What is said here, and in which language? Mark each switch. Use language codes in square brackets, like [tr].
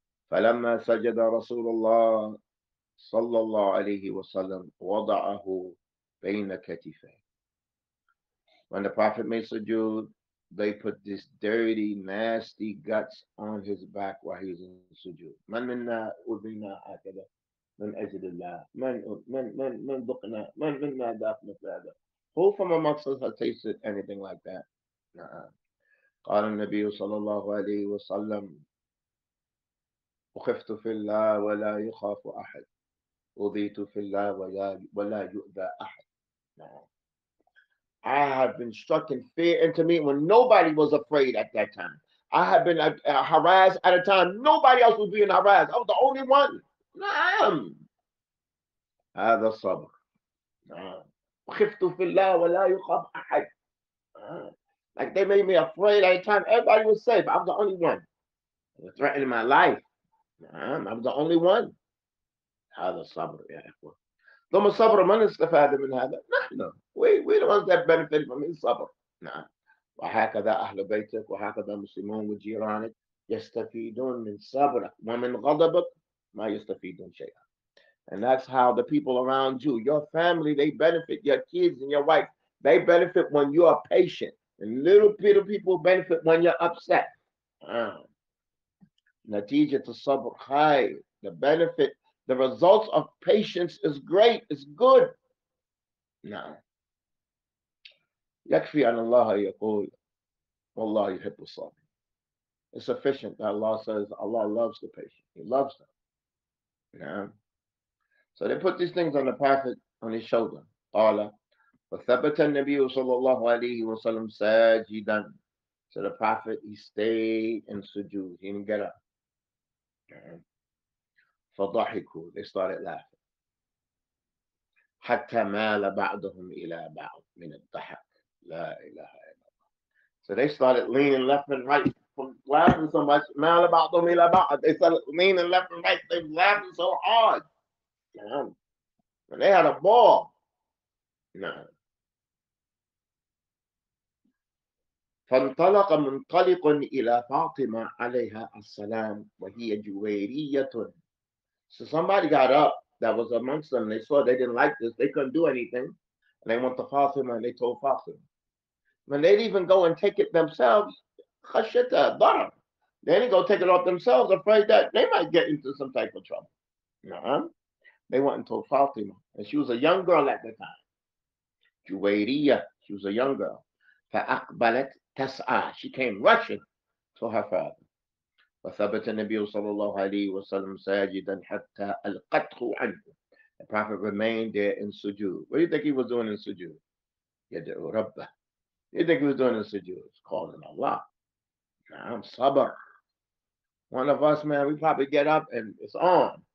[ar] فلما سجد رسول الله صلى الله عليه وسلم وضعه بين كتفيه. [en] When the Prophet made sujood, they put this dirty, nasty guts on his back while he was in sujood. [ar] من منا أذينا هكذا من أجل الله من ذقنا من منا ذاق مثل هذا. [en] Who from amongst us has tasted anything like that? [ar] قال النبي صلى الله عليه وسلم وخفت في الله ولا يخاف أحد وضيت في الله ولا يؤذى أحد. [en] I have been struck in fear into me when nobody was afraid at that time. I have been harassed at a time nobody else was being harassed. I was the only one. [ar] نعم. هذا الصبر. وخفت في الله ولا يخاف أحد. [en] Like they made me afraid at a time everybody was safe. I was the only one. It was threatening my life. I'm the only one. [ar] هذا الصبر يا إخوان. ثم الصبر من استفاد من هذا؟ نحن. [en] We the ones that benefit from his صبر. [ar] نعم. وهكذا أهل بيتك وهكذا المسلمون وجيرانك يستفيدون من صبرك ومن غضبك ما يستفيدون شيئا. [en] And that's how the people around you, your family, they benefit, your kids and your wife, they benefit when you are patient. And little people benefit when you're upset. [ar] نتيجة الصبر خير. [en] The benefit, the results of patience is great, is good. [ar] نعم. يكفي أن الله يقول والله يحب الصابرين. [en] It's sufficient that Allah says Allah loves the patient. He loves them. نعم. So they put these things on the Prophet on his shoulder. [ar] قال وثبت النبي صلى الله عليه وسلم ساجدا. [en] So the Prophet, he stayed in sujood. He didn't get up. [ar] فضحكوا. [en] They started laughing. [ar] حتى مال بعضهم إلى بعض من الضحك. لا إله إلا الله. [en] So they started leaning left and right from laughing so much. [ar] مال بعضهم إلى بعض. [en] They started leaning left and right. They were laughing so hard. And they had a ball. [ar] فانطلق منطلق إلى فاطمة عليها السلام وهي جويرية. [en] So somebody got up that was amongst them. They saw they didn't like this. They couldn't do anything. And they went to Fatima and they told Fatima. When they'd even go and take it themselves, [ar] خشيت ضرب. [en] They didn't go take it off themselves, afraid that they might get into some type of trouble. They went and told Fatima. And she was a young girl at the time. جويرية. She was a young girl. [ar] فأقبلت تسعى. [en] She came rushing to her father. [ar] وثبت النبي صلى الله عليه وسلم ساجدا حتى القطخ عنه. [en] The Prophet remained there in sujood. What do you think he was doing in sujood? [ar] يدعو ربه. [en] What do you think he was doing in sujood? He's calling Allah. [ar] نعم صبر. [en] One of us, man, we probably get up and it's on.